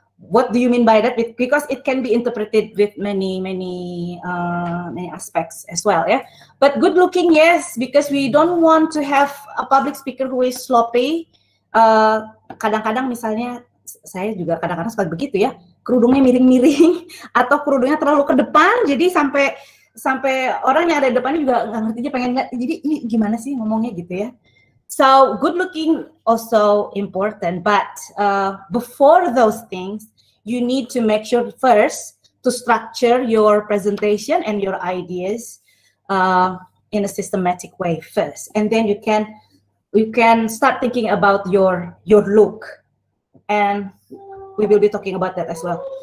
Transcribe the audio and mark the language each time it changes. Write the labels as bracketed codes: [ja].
[en] What do you mean by that? Because it can be interpreted with many aspects as well, yeah. But good looking, yes, because we don't want to have a public speaker who is sloppy. [id] Kadang-kadang misalnya, saya juga kadang-kadang suka begitu ya, kerudungnya miring-miring atau kerudungnya terlalu ke depan, jadi sampai orang yang ada di depannya juga nggak ngerti, pengen nggak, jadi ini gimana sih ngomongnya gitu ya. [en] So good looking also important, but before those things, you need to make sure first to structure your presentation and your ideas in a systematic way first, and then you can start thinking about your look, and we will be talking about that as well.